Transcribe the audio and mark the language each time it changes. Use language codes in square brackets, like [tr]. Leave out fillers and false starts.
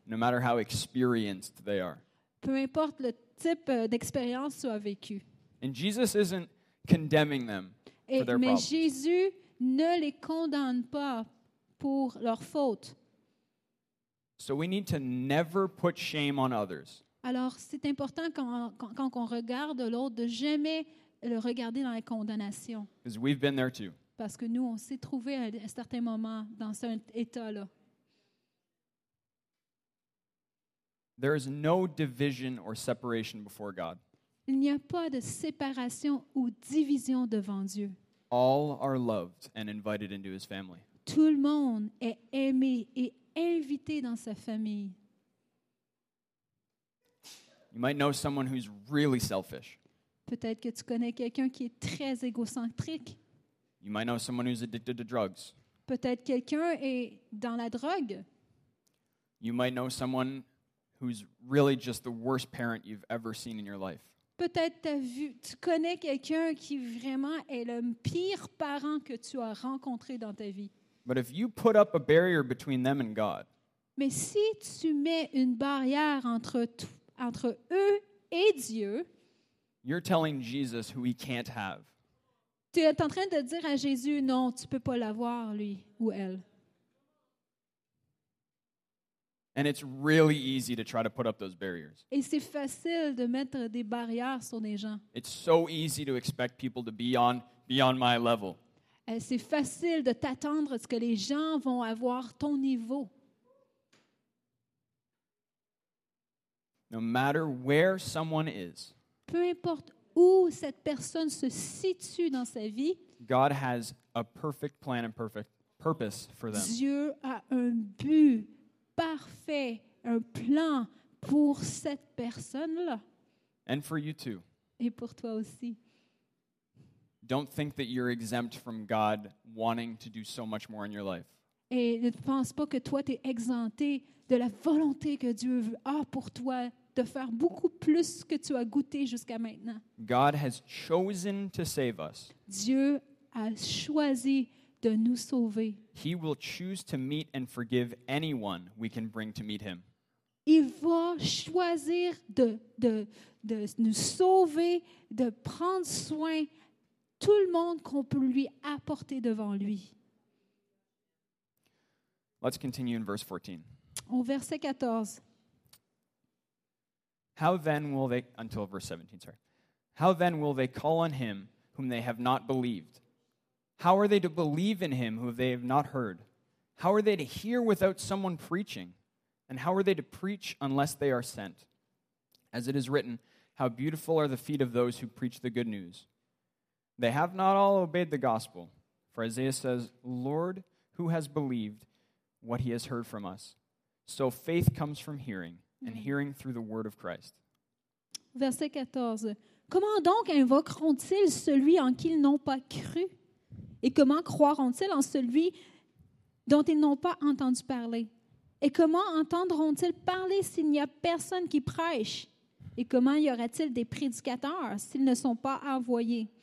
[en] No matter how experienced they are. [fr] Peu importe le type d'expérience soit vécu. [en] And Jesus isn't condemning them for their problems. [fr] Mais Jésus ne les condamne pas pour leurs fautes. [en] So we need to never put shame on others. [fr] Alors, c'est important quand on regarde l'autre de jamais le regarder dans la condamnation. [en] Because we've been there too. [fr] Parce que nous, on s'est trouvé à un certain moment dans cet état-là. [en] There is no division or separation before God. [fr] Il n'y a pas de séparation ou division devant Dieu. [en] All are loved and invited into his family. [fr] Tout le monde est aimé et invité dans sa famille. [en] You might know someone who's really selfish. [fr] Peut-être que tu connais quelqu'un qui est très égocentrique. [en] You might know someone who's addicted to drugs. [fr] Peut-être quelqu'un est dans la drogue. [en] You might know someone who's really just the worst parent you've ever seen in your life. [fr] Peut-être tu connais quelqu'un qui vraiment est le pire parent que tu as rencontré dans ta vie. [en] But if you put up a barrier between them and God. [fr] Mais si tu mets une barrière entre eux et Dieu. [en] You're telling Jesus who he can't have. [fr] Tu es en train de dire à Jésus non, tu peux pas l'avoir lui ou elle. [en] And it's really easy to try to put up those barriers. [fr] Et c'est facile de mettre des barrières sur des gens. [en] It's so easy to expect people to be on my level. [fr] Et c'est facile de t'attendre à ce que les gens vont avoir ton niveau. [en] No matter where someone is. [fr] Peu importe où cette personne se situe dans sa vie. [en] God has a perfect plan and perfect purpose for them. [fr] Dieu a un but parfait, un plan pour cette personne-là. [en] And for you too. [fr] Et pour toi aussi. [en] Don't think that you're exempt from God wanting to do so much more in your life. [fr] Et ne pense pas que toi t'es exempté de la volonté que Dieu a pour toi de faire beaucoup plus que tu as goûté jusqu'à maintenant. [en] God has chosen to save us. [fr] Dieu a choisi de nous sauver. [en] He will choose to meet and forgive anyone we can bring to meet him. [fr] Il va choisir de nous sauver, de prendre soin tout le monde qu'on peut lui apporter devant lui. [en] Let's continue in verse 14. [fr] Au verset 14. [en] How then will they, until verse 17, sorry. How then will they call on him whom they have not believed? How are they to believe in him who they have not heard? How are they to hear without someone preaching? And how are they to preach unless they are sent? As it is written, how beautiful are the feet of those who preach the good news. They have not all obeyed the gospel. For Isaiah says, Lord, who has believed what he has heard from us? So faith comes from hearing. And hearing through the word of Christ. [fr] Verset 14. Comment donc invoqueront-ils celui en qui ils n'ont pas cru? Et comment croiront-ils en celui dont ils n'ont pas entendu parler? Et comment entendront-ils parler s'il n'y a personne qui prêche? Et comment y aura-t-il des prédicateurs s'ils ne sont pas envoyés?